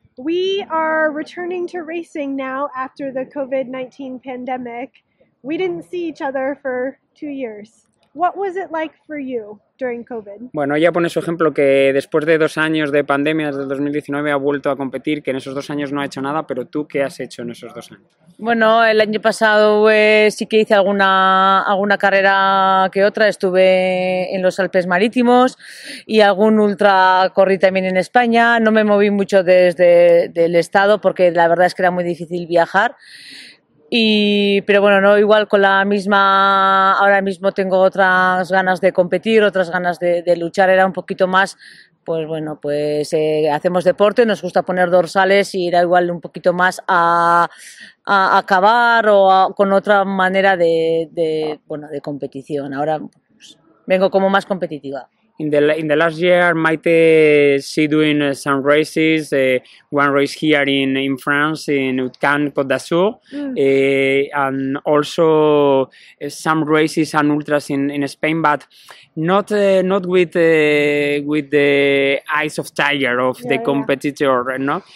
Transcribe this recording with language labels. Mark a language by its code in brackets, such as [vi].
[en] we are returning to racing now after the COVID-19 pandemic. We didn't see each other for 2 years. What was it like for you during COVID? [es] Bueno, ella pone su ejemplo que después de 2 años de pandemia, desde 2019, ha vuelto a competir, que en esos 2 años no ha hecho nada, pero tú, ¿qué has hecho en esos 2 años? Bueno, el año pasado sí que hice alguna carrera que otra, estuve en los Alpes Marítimos y algún ultra corrí también en España. No me moví mucho desde el estado porque la verdad es que era muy difícil viajar. Pero bueno, no igual con la misma, ahora mismo tengo otras ganas de competir, otras ganas de luchar, era un poquito más, pues bueno, pues hacemos deporte, nos gusta poner dorsales y era igual un poquito más a acabar o con otra manera de competición. Ahora pues, vengo como más competitiva. [en] In the last year, Maite, she doing some races, one race here in France, in Outcan, Côte d'Azur, and also some races and ultras in Spain, but not with the eyes of tiger of the competitor, no?